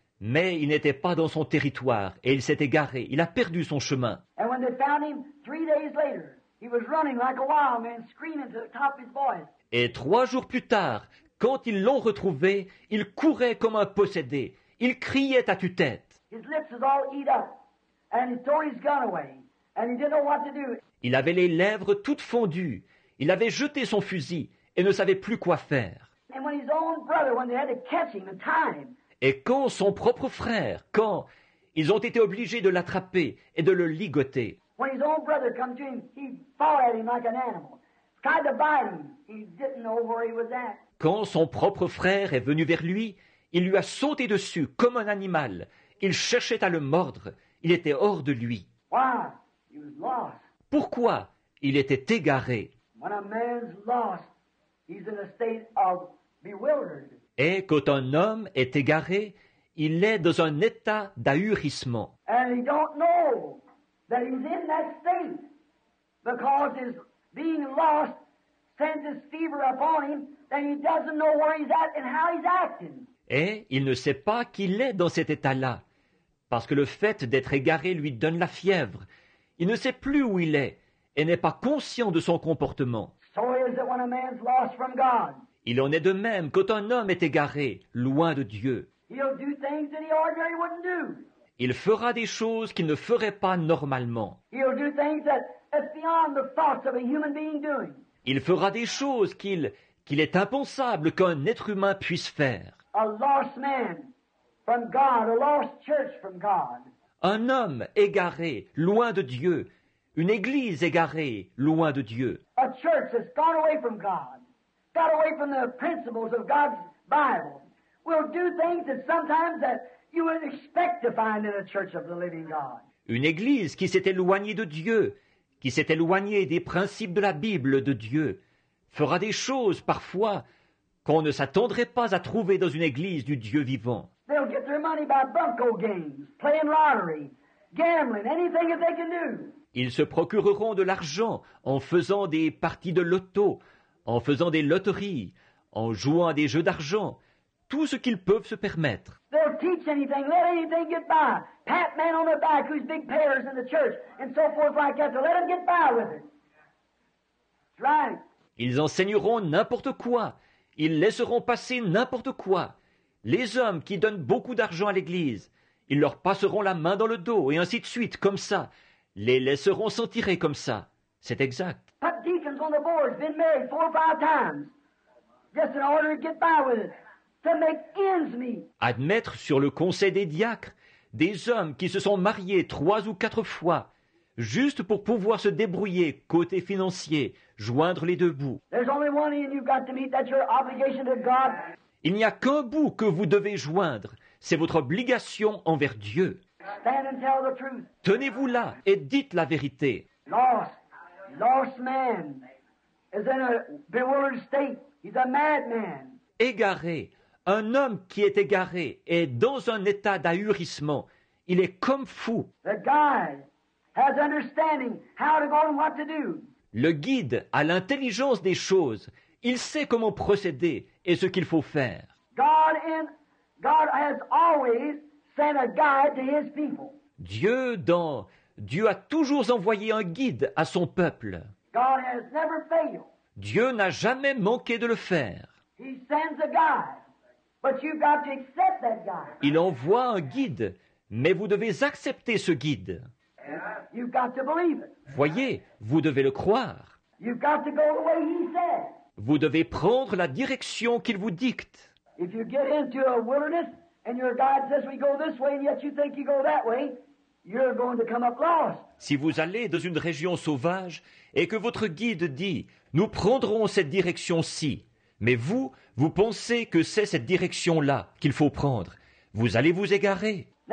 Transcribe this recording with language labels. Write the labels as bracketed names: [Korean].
[French] Mais il n'était pas dans son territoire et il s'est égaré. Il a perdu son chemin. [English] And when they found him, 3 days later, he was running like a wild man, screaming to the top of his voice. [French] Et 3 jours plus tard, quand ils l'ont retrouvé, il courait comme un possédé. Il criait à tue-tête. [English] His lips was all eat up, and he threw his gun away, and he didn't know what to do. [French] Il avait les lèvres toutes fondues. Il avait jeté son fusil et ne savait plus quoi faire. [English] And when his own brother, when they had to catch him and tie him. [French] Et quand son propre frère, quand ils ont été obligés de l'attraper et de le ligoter. [English] When his own brother came to him, he fought at him like an animal. Tried to bite him. He didn't know where he was at. [French] Quand son propre frère est venu vers lui, il lui a sauté dessus comme un animal. Il cherchait à le mordre. Il était hors de lui. [English] Why? He was lost. [French] Pourquoi? Il était égaré. [English] When a man's lost, he's in a state of bewildered. [French] Et quand un homme est égaré, il est dans un état d'ahurissement. [English] And he don't know that he's in that state because his being lost sends his fever upon him. And he doesn't know where he's at and how he's acting. [French] Et il ne sait pas qu'il est dans cet état-là, parce que le fait d'être égaré lui donne la fièvre. Il ne sait plus où il est et n'est pas conscient de son comportement. [English] So is it when a man's lost from God. [French] Il en est de même quand un homme est égaré, loin de Dieu. [English] He'll do things that he ordinarily wouldn't do. [French] Il fera des choses qu'il ne ferait pas normalement. [English] He'll do things that's beyond the thoughts of a human being doing. [French] Il fera des choses qu'il est impensable qu'un être humain puisse faire. [English] A lost man from God, a lost church from God. [French] Un homme égaré, loin de Dieu. Une église égarée, loin de Dieu. [English] A church that's gone away from God. Got away from the principles of God's Bible. Will do things that sometimes that you wouldn't expect to find in a church of the living God. [French] Une église qui s'est éloignée de Dieu, qui s'est éloignée des principes de la Bible de Dieu, fera des choses parfois qu'on ne s'attendrait pas à trouver dans une église du Dieu vivant. [English] They'll get their money by bunco games, playing lottery, gambling, anything that they can do. [French] Ils se procureront de l'argent en faisant des parties de loto, en faisant des loteries, en jouant à des jeux d'argent, tout ce qu'ils peuvent se permettre. [English] They'll teach anything, let anything get by. Pat man on the back who's big payers in the church and so forth like that. They'll let him get by with it. Right. [French] Ils enseigneront n'importe quoi. Ils laisseront passer n'importe quoi. Les hommes qui donnent beaucoup d'argent à l'église, ils leur passeront la main dans le dos et ainsi de suite, comme ça. Les laisseront s'en tirer comme ça. C'est exact. [English] Put deacons on the board, been married 4 or 5 times. Just in order to get by with it. To make ends meet. [French] Admettre sur le conseil des diacres des hommes qui se sont mariés 3 ou 4 fois. Juste pour pouvoir se débrouiller côté financier, joindre les deux bouts. [English] There's only one end you've got to meet, that's your obligation to God. [French] Il n'y a qu'un bout que vous devez joindre, c'est votre obligation envers Dieu. [English] Stand and tell the truth. [French] Tenez-vous là et dites la vérité. [English] Lost man is in a bewildered state. He's a madman. [French] Égaré, un homme qui est égaré est dans un état d'ahurissement. Il est comme fou. [English] The guide has understanding how to go and what to do. [French] Le guide a l'intelligence des choses. Il sait comment procéder et ce qu'il faut faire. [English] God has always sent a guide to his people. [French] Dieu a toujours envoyé un guide à son peuple. [English] God has never failed. [French] Dieu n'a jamais manqué de le faire. [English] He sends a guide, but you've got to accept that guide. [French] Il envoie un guide, mais vous devez accepter ce guide. [English] You've got to believe it. [French] Voyez, vous devez le croire. [English] You've got to go the way he said. [French] Vous devez prendre la direction qu'il vous dicte. [English] If you get into a wilderness and your guide says we go this way and yet you think you go that way, you're going to come up lost. [French] Si vous allez dans une région sauvage et que votre guide dit « Nous prendrons cette direction-ci », mais vous, vous pensez que c'est cette direction-là qu'il faut prendre, vous allez vous égarer.